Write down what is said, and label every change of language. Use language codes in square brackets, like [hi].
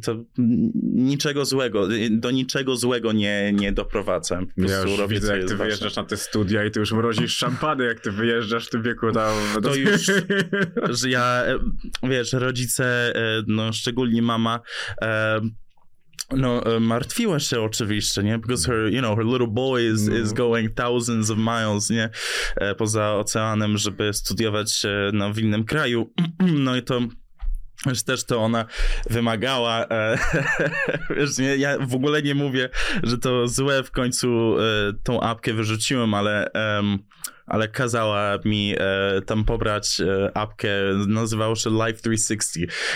[pl] To niczego złego, do niczego złego nie doprowadzę. Ja już widzę, jak ty wyjeżdżasz na te studia i ty już mrozisz szampany, jak ty wyjeżdżasz w tym wieku tam. To już, że ja, wiesz, rodzice, no szczególnie mama, no martwiła się oczywiście, nie? [en] Because her, you know, her little boy is going thousands of miles, nie? [pl] Poza oceanem, żeby studiować no, w innym kraju. No i to wiesz, też to ona wymagała, wiesz, nie, ja w ogóle nie mówię, że to złe, w końcu tą apkę wyrzuciłem, ale, ale kazała mi tam pobrać apkę, nazywało się Life 360,